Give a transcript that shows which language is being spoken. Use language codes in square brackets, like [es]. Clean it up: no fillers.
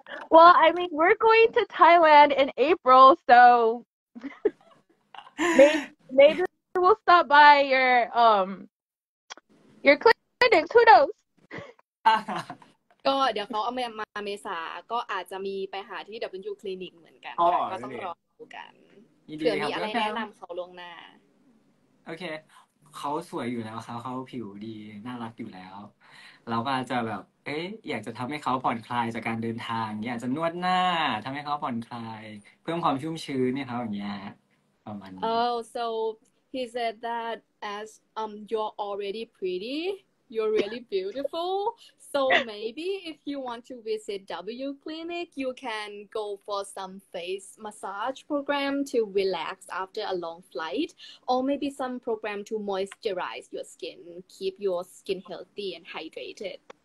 [en] Well I mean we're going to Thailand in April soMaybe we'll stop by your clinic. Who knows? [th] ก็เดี๋ยวเขาเอาเมมาเมษาก็อาจจะมีไปหาที่ W Clinic เหมือนกันก็ต้องรอดูกันเผื่อมีอะไรแนะนำเขาลงหน้า โอเคเขาสวยอยู่แล้วครับเขาผิวดีน่ารักอยู่แล้วเราก็อาจจะแบบเอ๊ยอยากจะทำให้เขาผ่อนคลายจากการเดินทางอยากจะนวดหน้าทำให้เขาผ่อนคลายเพิ่มความชุ่มชื้นเนี่ยครับอย่างเงี้ย [en] Oh, so he said that as you're already pretty, you're really beautiful. So maybe if you want to visit W Clinic, you can go for some face massage program to relax after a long flight, or maybe some program to moisturize your skin, keep your skin healthy and hydrated.